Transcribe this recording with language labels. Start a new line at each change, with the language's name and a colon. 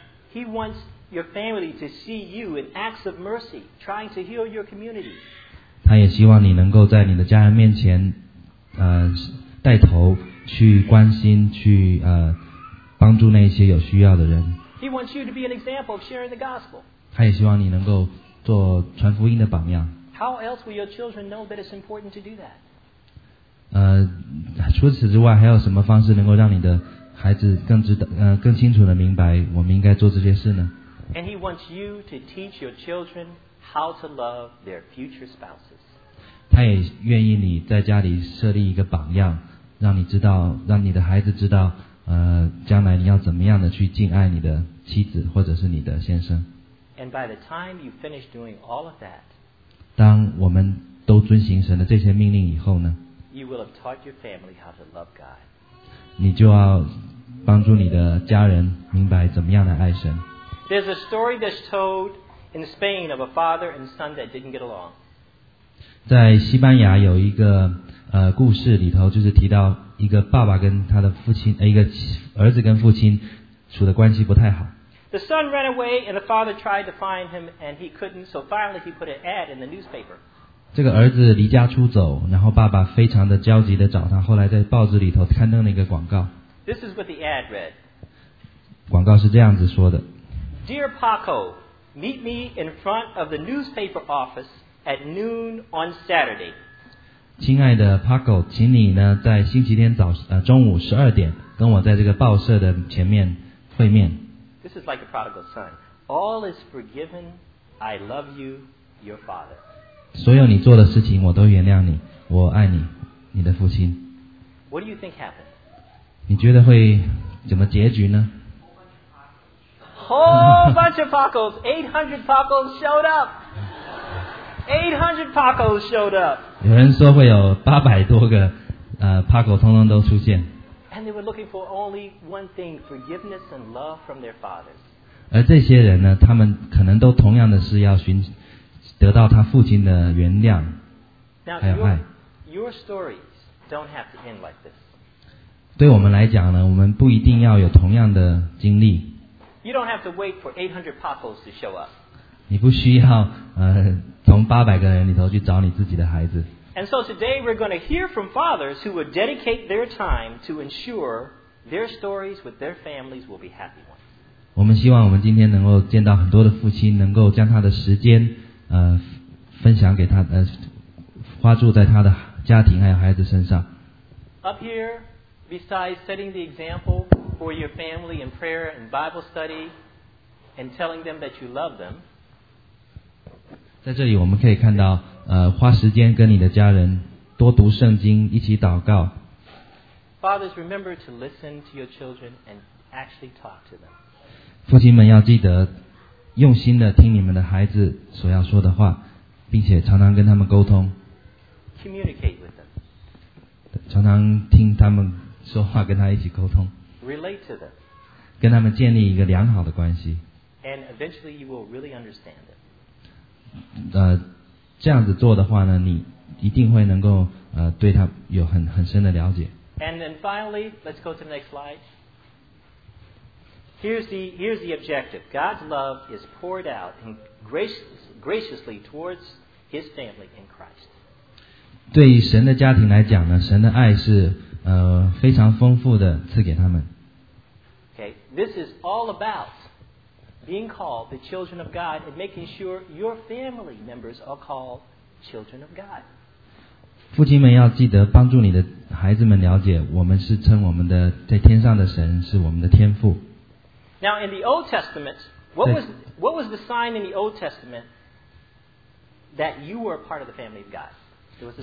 English: He wants your family to see you in acts of mercy, trying to heal your community.
Chinese: 他也希望你能够在你的家人面前带头去关心去帮助那些有需要的人。
English: He wants you to be an example of sharing the gospel.
Chinese: 他也希望你能够做传福音的榜样。
English: How else will your children know that it's important to do that?
Chinese: 除此之外还有什么方式能够让你的孩子更知道更清楚地明白我们应该做这些事呢？
English: And he wants you to teach your childrenHow to love their future spouses.
Chinese: 他也愿意你在家里设立一个榜样，让你知道，让你的孩子知道，将来你要怎么样的去敬爱你的妻子或者是你的先生。
English: And by the time you finish doing all of that,
Chinese: 当我们都遵行神的这些命令以后呢，
English: you will have taught your family how to love God.
Chinese: 你就要帮助你的家人明白怎么样来爱神。
English: There's a story that's told. In Spain, of a father and son that didn't get along.
Chinese: 在西班牙有一个故事里头，就是提到一个爸爸跟他的父亲，一个儿子跟父亲处的关系不太好。
English: The son ran away, and the father tried to find him, and he couldn't. So finally, he put an ad in the newspaper.
Chinese: 这个儿子离家出走，然后爸爸非常的焦急的找他。后来在报纸里头刊登了一个广告。
English: This is what the ad read.
Chinese: 广告是这样子说的。
English: Dear Paco. Meet me in front of the newspaper office at noon on Saturday.
Chinese: 亲爱的 Paco, 请你呢在星期天早中午十二点跟我在这个报社的前面会面。
English: This is like a prodigal son. All is forgiven. I love you, your father.
Chinese: 所有你做的事情我都原谅你，我爱你，你的父亲。
English: What do you think happened?
Chinese: 你觉得会怎么结局呢？
English: Whole bunch of Pacos, 800 Pacos showed up. 800 Pacos showed up.
Chinese: 有人说会有800多个Paco 通通都出现。
English: And they were looking for only one thing, forgiveness and love from their fathers.
Chinese: 而这些人呢，他们可能都同样的是要寻得到他父亲的原谅，还有爱。
English: Your stories don't have to end like this.
Chinese: 对我们来讲呢，我们不一定要有同样的经历。
English: You don't have to wait for 800 Pacos to show up.
Chinese: 你不需要从800个人里头去找你自己的孩子。
English: And so today we're going to hear from fathers who would dedicate their time to ensure their stories with their families will be happy ones.
Chinese: 我们希望我们今天能够见到很多的父亲能够将他的时间分享给他花注在他的家庭还有孩子身上。
English: Up here, besides setting the example,for your family in prayer and Bible study and telling them that you love them.
Chinese: 在这里我们可以看到花时间跟你的家人多读圣经一起祷告。
English: Fathers, remember to listen to your children and actually talk to them.
Chinese: 父亲们要记得用心地听你们的孩子所要说的话并且常常跟他们沟通。
English: Communicate with them.
Chinese: 常常听他们说话跟他一起沟通。
English: Relate to them.
Chinese: 跟他们建立一个良好的关系。
English: And eventually you will really understand it.
Chinese: 这样子做的话呢，你一定会能够对他有很深的了解。
English: And then finally, let's go to the next slide. Here's the objective. God's love is poured out graciously towards His family in Christ.
Chinese: 对于神的家庭来讲呢，神的爱是非常丰富的赐给他们。
English: Okay, this is all about being called the children of God and making sure your family members are called children of God.
Chinese: 父亲们要记得帮助你的孩子们了解，我们是称我们的在天上的神是我们的天父。
English: Now in the Old Testament, what was the sign in the Old Testament that you were a part of the family of God?